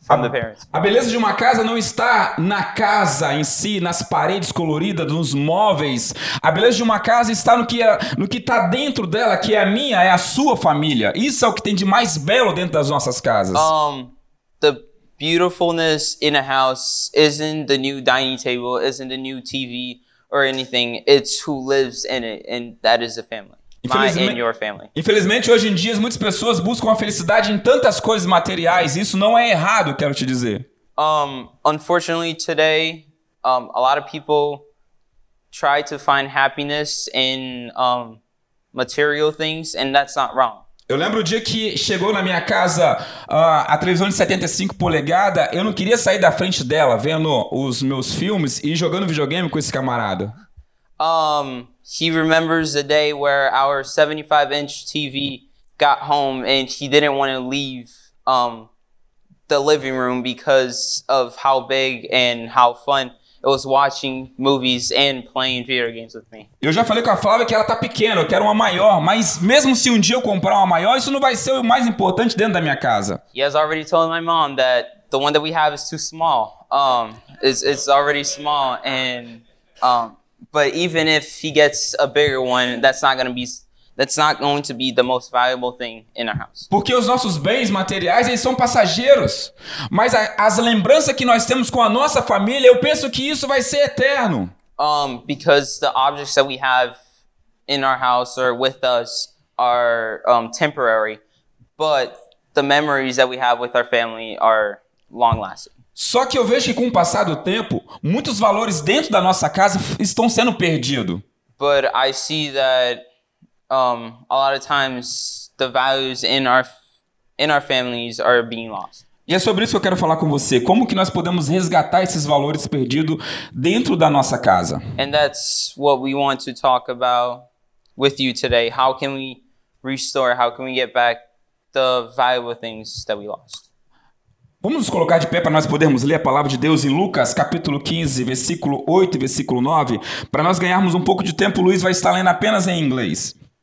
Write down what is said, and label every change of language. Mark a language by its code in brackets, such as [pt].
[pt] A beleza de uma casa não está na casa em si, nas paredes coloridas, nos móveis. A beleza de uma casa está no que está dentro dela, que é a minha, é a sua família. Isso é o que tem de mais belo dentro das nossas casas. [en] The beautifulness in a house isn't the new dining table, isn't the new TV or anything. It's who lives in it, and that is the family. [pt] Infelizmente, hoje em dia, muitas pessoas buscam a felicidade em tantas coisas materiais. Isso não é errado, quero te dizer. [en] Unfortunately, today, a lot of people try to find happiness in material things, and that's not wrong. [pt] Eu lembro o dia que chegou na minha casa a televisão de 75 polegadas. Eu não queria sair da frente dela, vendo os meus filmes e jogando videogame com esse camarada. [en] He remembers the day where our 75-inch TV got home and he didn't want to leave the living room because of how big and how fun it was watching movies and playing video games with me. [pt] Eu já falei com a Flávia que ela tá pequena, eu quero uma maior, mas mesmo se dia eu comprar uma maior, isso não vai ser o mais importante dentro da minha casa. [en] He has already told my mom that the one that we have is too small. It's already small and but even if he gets a bigger one, that's not going to be the most valuable thing in our house. [pt] Porque os nossos bens materiais, eles são passageiros. Mas as lembranças que nós temos com a nossa família, eu penso que isso vai ser eterno. [en] Because the objects that we have in our house or with us are temporary, but the memories that we have with our family are long-lasting. [pt] Só que eu vejo que com o passar do tempo, muitos valores dentro da nossa casa estão sendo perdidos. [en] But I see that a lot of times the values in our families are being lost. [pt] E é sobre isso que eu quero falar com você. Como que nós podemos resgatar esses valores perdidos dentro da nossa casa? [en] And that's what we want to talk about with you today. How can we restore, how can we get back the valuable things that we lost? [pt] Vamos nos colocar de pé para nós podermos ler a palavra de Deus em Lucas, capítulo 15, versículo 8 e versículo 9. Para nós ganharmos um pouco de tempo, o Luiz vai estar lendo apenas em inglês.